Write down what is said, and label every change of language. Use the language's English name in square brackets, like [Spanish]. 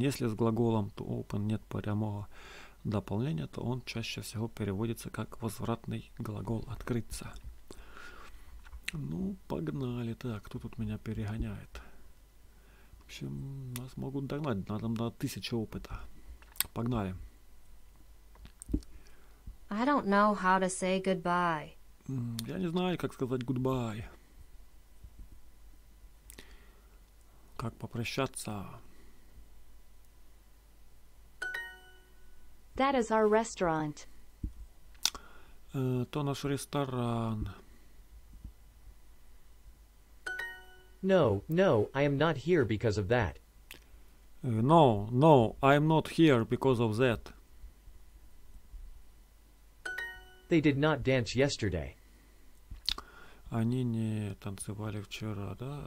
[Russian] Если с глаголом to open нет прямого дополнения, то он чаще всего переводится как возвратный глагол открыться. Ну, погнали. Так, кто тут меня перегоняет? В общем, нас могут догнать. Надо на 1000 опыта. Погнали. [English] I don't know how to say goodbye. [Russian] Я не знаю, как сказать goodbye. Как попрощаться? [English] That is our restaurant. [Russian] То наш ресторан. [English] No, no, I am not here because of that. No, no, I am not here because of that. They did not dance yesterday. [Russian] Они не танцевали вчера, да?